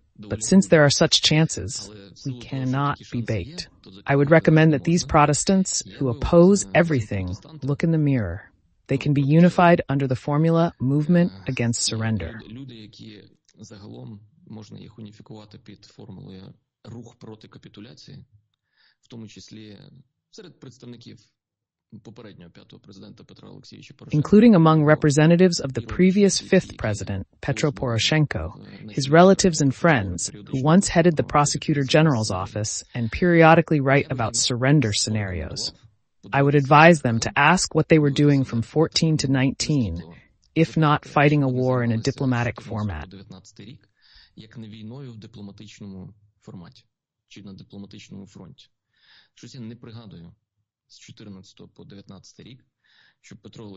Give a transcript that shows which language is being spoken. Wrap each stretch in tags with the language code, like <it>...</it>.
<en>But since there are such chances, we cannot be baked. I would recommend that these Protestants who oppose everything look in the mirror. They can be unified under the formula Movement Against Surrender.</en> <uk>Люди, які загалом можна їх уніфікувати під формулою рух проти капітуляції, в тому числі серед представників попереднього п'ятого президента Петра Олексійовича Порошенка.</uk> <en>Including among representatives of the previous fifth president, Petro Poroshenko, his relatives and friends, who once headed the Prosecutor General's office and periodically write about surrender scenarios. I would advise them to ask what they were doing from 14 to 19, if not fighting a war in a diplomatic format.</en> <uk>Як не війною в дипломатичному форматі чи на дипломатичному фронті. Щось я не пригадую з 14 по 19 рік, щоб Петро.</uk>